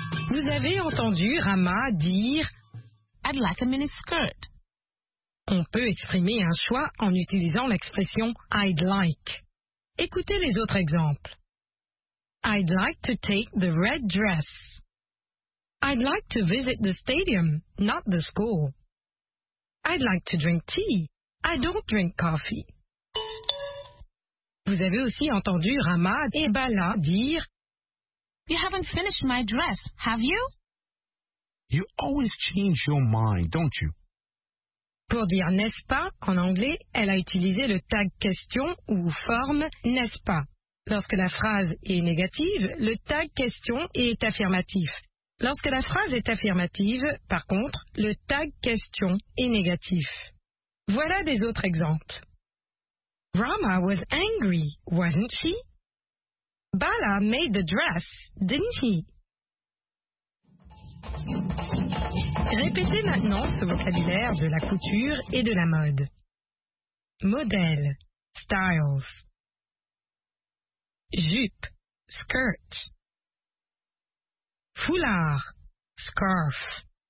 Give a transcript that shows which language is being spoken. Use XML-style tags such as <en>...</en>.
<fr>Vous avez entendu Rama dire</fr> <en>« I'd like a mini skirt ».</en> <fr>On peut exprimer un choix en utilisant l'expression «</fr> <en>I'd like ».</en> <fr>Écoutez les autres exemples.</fr> <en>« I'd like to take the red dress ». I'd like to visit the stadium, not the school. I'd like to drink tea. I don't drink coffee.</en> <fr>Vous avez aussi entendu Rama et Bala dire</fr> <en>You haven't finished my dress, have you? You always change your mind, don't you?</en> <fr>Pour dire n'est-ce pas, en anglais, elle a utilisé le tag question ou forme n'est-ce pas. Lorsque la phrase est négative, le tag question est affirmatif. Lorsque la phrase est affirmative, par contre, le tag question est négatif. Voilà des autres exemples.</fr> <en>Rama was angry, wasn't she? Bala made the dress, didn't he?</en> <fr>Répétez maintenant ce vocabulaire de la couture et de la mode. Modèle, styles. Jupe, skirt. Foulard, scarf.</fr>